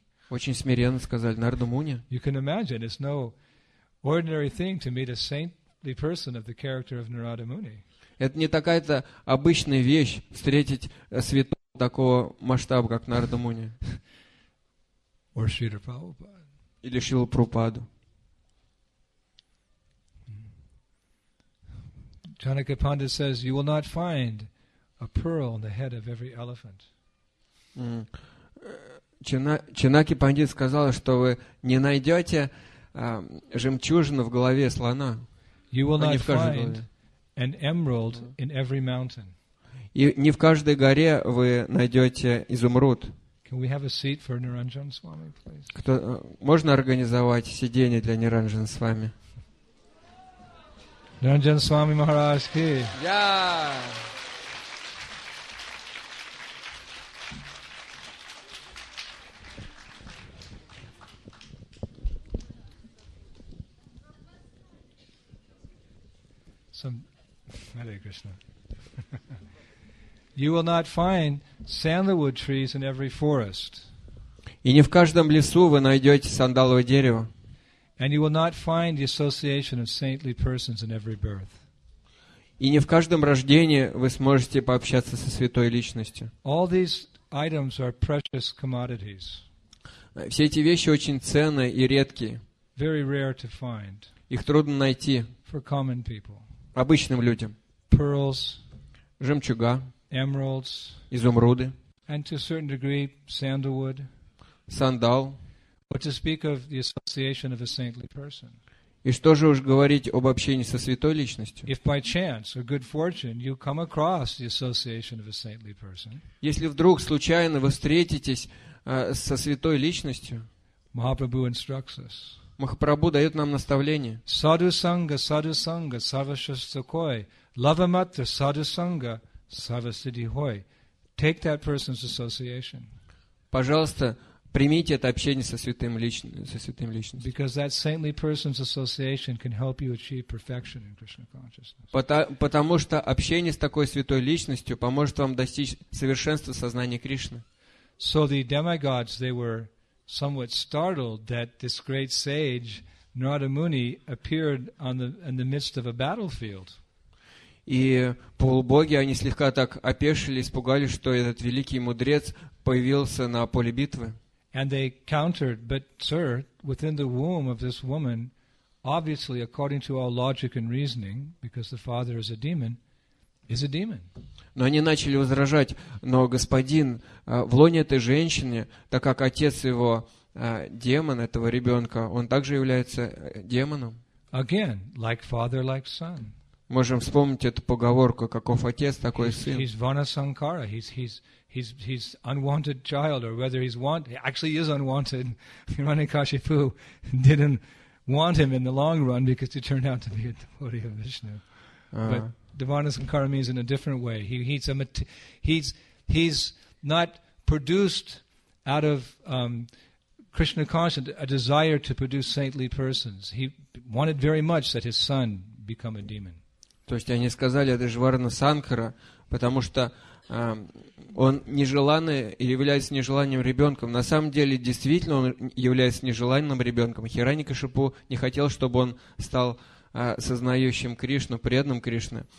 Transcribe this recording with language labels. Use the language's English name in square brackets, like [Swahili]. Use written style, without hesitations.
[Russian] Очень смиренно сказали, «Нарада Муни!» [English] You can imagine, it's no ordinary thing to meet a saintly person of the character of Narada Muni. [Russian] Это не такая-то обычная вещь, встретить святого такого масштаба, как Нарада Муни. [English] Or Шрила Прабхупада. [Russian] Или Шрила Прабхупаду. [English] Janaka Pandit says, you will not find a pearl on the head of every elephant. [Russian] Чинаки Пандит сказал, что вы не найдете жемчужину в голове слона. [English] You will not find an emerald in every mountain. [Russian] И не в каждой горе вы найдете изумруд. [English] Can we have a seat for Niranjan Swami, please? [Russian] Можно организовать сиденье для Niranjan Swami? [Hindi] Niranjan Swami Maharaj ki. [English] Yeah. Hare Krishna. You will not find sandalwood trees in every forest. [Russian] И не в каждом лесу вы найдете сандаловое дерево. [English] And you will not find the association of saintly persons in every birth. [Russian] И не в каждом рождении вы сможете пообщаться со святой личностью. [English] All these items are precious commodities. [Russian] Все эти вещи очень ценны и редкие. [English] Very rare to find. [Russian] Их трудно найти. [English] For common people. [Russian] Обычным людям. [English] Pearls, [Russian] жемчуга, [English] emeralds, [Russian] изумруды, [English] and to a certain degree, sandalwood, [Russian] сандал, [English] but to speak of the association of a saintly person. [Russian] И что же уж говорить об общении со святой личностью? [English] If by chance or good fortune you come across the association of a saintly person, [Russian] если вдруг случайно вы встретитесь со святой личностью, [English] Mahaprabhu instructs us. [Russian] Махапрабху дает нам наставление. [Sanskrit] Саду санга, саваштакой. Лавамата, саду санга, савасидихой. [English] Take that person's association. [Russian] Пожалуйста, примите это общение со святым личностью. [English] Because that saintly person's association can help you achieve perfection in Krishna consciousness. [Russian] Потому что общение с такой святой личностью поможет вам достичь совершенства сознания Кришны. [English] So the demigods, they were somewhat startled that this great sage Narada Muni appeared in the midst of a battlefield. [Russian] И полубоги они слегка так опешили, испугались, что этот великий мудрец появился на поле битвы. [English] And they countered, but sir, within the womb of this woman, obviously according to all logic and reasoning, because the father is a demon, is a demon. [Russian] Но они начали возражать, но господин, в лоне этой женщины, так как отец его демон, этого ребенка, он также является демоном. [English] Again, like father, like son. [Russian] Можем вспомнить эту поговорку, каков отец, такой сын. [English] He's vana sankara, he's unwanted child, or whether he's wanted, actually he is unwanted. Hiranyakashipu didn't want him in the long run because he turned out to be a devotee of Vishnu. But Devana Sankara means in a different way. He's not produced out of Krishna consciousness, a desire to produce saintly persons. He wanted very much that his son become a demon. [Russian] То есть они сказали, это же Варна Санкара, потому что он нежеланный, является нежеланным ребенком. На самом деле, действительно, он является нежеланным ребенком. Хиранякашипу не хотел, чтобы он стал сознающим Кришну, преданным Кришне.